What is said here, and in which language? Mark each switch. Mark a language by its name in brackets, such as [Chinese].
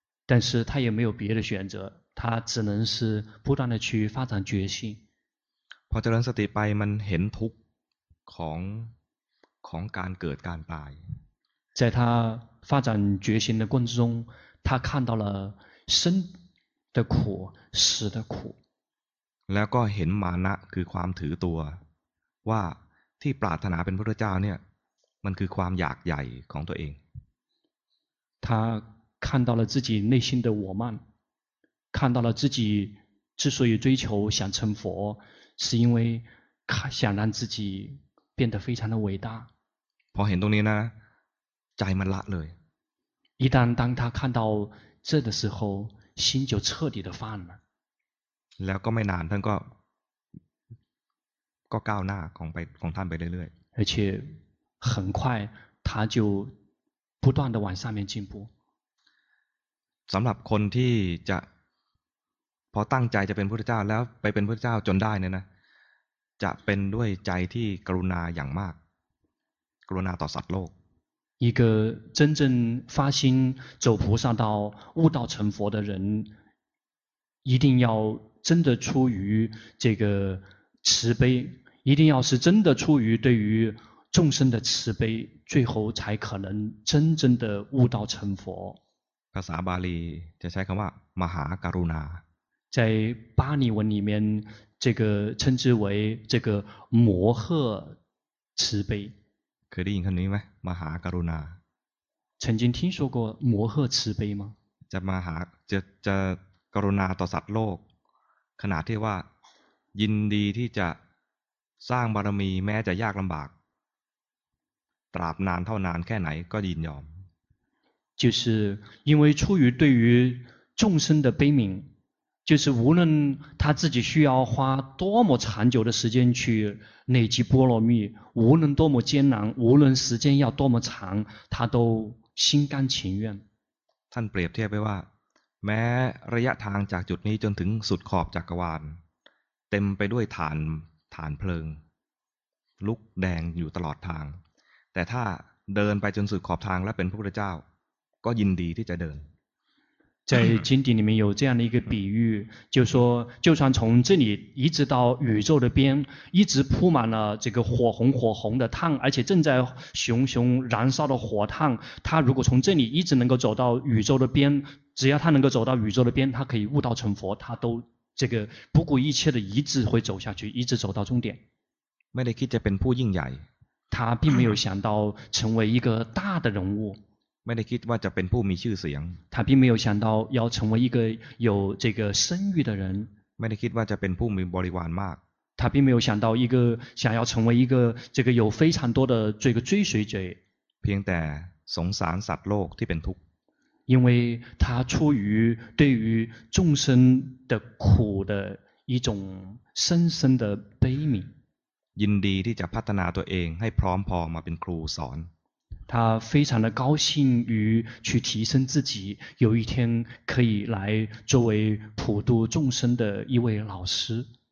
[Chinese] 但是他也没有别的选择他只能是不断的去发展决心 [Thai] พอเจริญสติไปมันเห็นทุกข์ของการเกิดการตาย [Chinese] 在他发展决心的过程中他看到了生的苦死的苦 [Thai] แล้วก็เห็นมานะคือความถือตัวว่าที่ปรารถนาเป็นพระพุทธเจ้าเนี่ยมันคือความอยากใหญ่ของตัวเอง [Chinese] 他看到了自己内心的我慢看到了自己之所以追求想成佛是因为想让自己变得非常的伟大 [Thai] พอเห็นตรงนี้นะใจมันละเลย [Chinese] 一旦当他看到这的时候心就彻底的放了 [Thai] แล้วก็ไม่นานท่านก็ก้าวหน้าของท่านไปเรื่อย [Chinese] ๆ而且很快他就不断的往上面进步 [Thai] สำหรับคนที่จะพอตั้งใจจะเป็นพระพุทธเจ้าแล้วไปเป็นพระพุทธเจ้าจนได้เนี่ยนะจะเป็นด้วยใจที่กรุณาอย่างมากกรุณาต่อสัตว์โลก [Chinese] 一个真正发心走菩萨道悟道成佛的人一定要真的出于这个慈悲一定要是真的出于对于众生的慈悲最后才可能真正的悟道成佛 [Thai] ภาษาบาลีจะใช้คำว่ามหากรุณา [Chinese] 在巴利文里面这个称之为这个摩诃慈悲 [Thai] เคยได้ยินคำนี้ไหมมหากรุณา [Chinese] 曾经听说过摩诃慈悲吗 [Thai] จะมหากจะกรุณาต่อสัตว์โลกขนาดที่ว่ายินดีที่จะสร้างบารมีแม้จะยากลำบากตราบนานเท่านานแค่ไหนก็ยินยอม [Chinese] 就是因为出于对于众生的悲悯就是无论他自己需要花多么长久的时间去累积波罗蜜无论多么艰难无论时间要多么长他都心甘情愿 [Thai] ท่านเปรียบเทียบไว้ว่าแม้ระยะทางจากจุดนี้จนถึงสุดขอบจักรวาลเต็มไปด้วยฐานเพลิงลุกแดงอยู่ตลอดทางแต่ถ้าเดินไปจนสุดขอบทางและเป็นพระพุทธเจ้าก็ยินดีที่จะเดิน [Chinese] 在经典里面有这样的一个比喻，就说就算从这里一直到宇宙的边，一直铺满了这个火红火红的烫，而且正在熊熊燃烧的火烫，他如果从这里一直能够走到宇宙的边，只要他能够走到宇宙的边，他可以悟道成佛，他都这个不顾一切的一直会走下去，一直走到终点。 [Thai] ไม่ได้คิดจะเป็นผู้ยิ่งใหญ่ [Chinese] 他并没有想到成为一个大的人物。 [Thai] ไม่ได้คิดว่าจะเป็นผู้มีชื่อเสียง [Chinese] 他并没有想到要成为一个有这个声誉的人。 [Thai] ไม่ได้คิดว่าจะเป็นผู้มีบริวารมาก [Chinese] 他并没有想到一个想要成为一个这个有非常多的这个追随者。 [Thai] เพียงแต่สงสารสัตว์โลกที่เป็นทุกข์ [Chinese] 因为他出于对于众生的苦的一种深深的悲悯。 [Thai] ยินดีที่จะพัฒนาตัวเองให้พร้อมพอมาเป็นครูสอน [Chinese] 他非常的高兴于去提升自己，有一天可以来作为普度众生的一位老师。